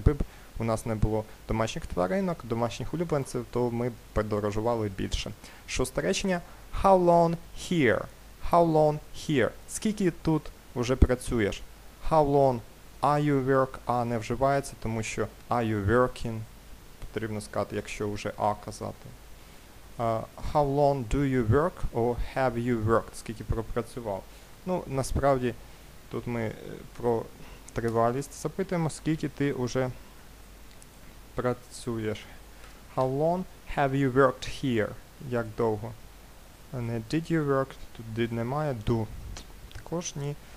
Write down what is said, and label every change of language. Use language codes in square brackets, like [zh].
[uk] Якби б у нас не було домашніх тваринок, домашніх улюбленців, то ми подорожували більше. Шосте речення, [en] how long here? How long here? [uk] Скільки тут вже працюєш? [en] How long are you work? [uk] А не вживається, тому що [en] are you working? [uk] Потрібно сказати, якщо вже а казати. [en] How long do you work or have you worked? [uk] Скільки пропрацював? Ну, насправді, тут ми про тривалість запитуємо. Скільки ти вже працюєш? [en] How long have you worked here? [uk] Як довго? [en] And did you work? [uk] Тут did немає. [en] Do. [uk] Також ні.